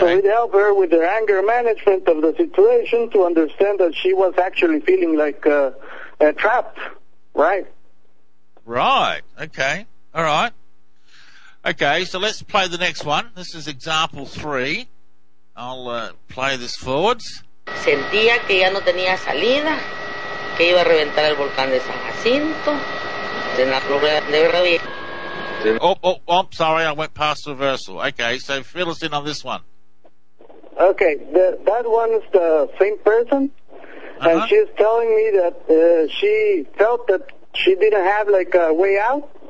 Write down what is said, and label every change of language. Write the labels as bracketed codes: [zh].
[en] So it helped her with her anger management of the situation to understand that she was actually feeling like trapped. Right. Right. Okay. All right. Okay, so let's play the next one. This is example 3. I'll play this forwards. [es] Sentía que ya no tenía salida, que iba a reventar el volcán de San Jacinto, de la Florida. [en] Oh, sorry, I went past the reversal. Okay, so fill us in on this one. Okay, that one is the same person, uh-huh. And she's telling me that she felt that she didn't have, like, a way out.